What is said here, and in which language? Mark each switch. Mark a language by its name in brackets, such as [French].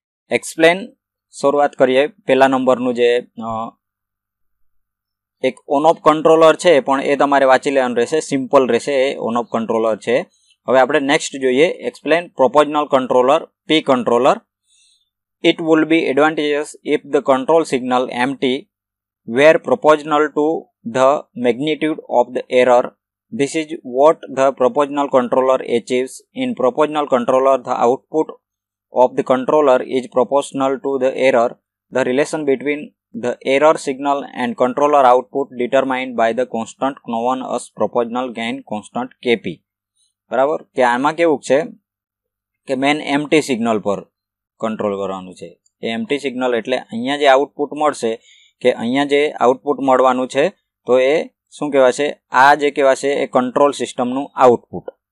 [Gujarati] Explain, શરૂઆત કરીએ પહેલા નંબરનું, જે એક ઓન ઓફ કંટ્રોલર છે પણ એ તમારે વાંચી લેવાનું રહેશે, સિમ્પલ રહેશે એ ઓન ઓફ કંટ્રોલર છે. હવે આપણે નેક્સ્ટ જોઈએ, explain proportional controller P controller. [English] It would be advantageous if the control signal M T were proportional to the magnitude of the error. This is what the proportional controller achieves. In proportional controller, the output of the controller is proportional to the error. The relation between the error signal and controller output determined by the constant known as proportional gain constant KP. [Gujarati] બરાબર કે આમાં કેવું છે કે main MT signal પર control કરવાનું છે. MT signal એટલે અહીંયા જે આઉટપુટ મળશે કે અહીંયા જે આઉટપુટ મળવાનું છે તો એ શું કહેવાશે, આ જે કહેવાશે એ કંટ્રોલ સિસ્ટમનું આઉટપુટ.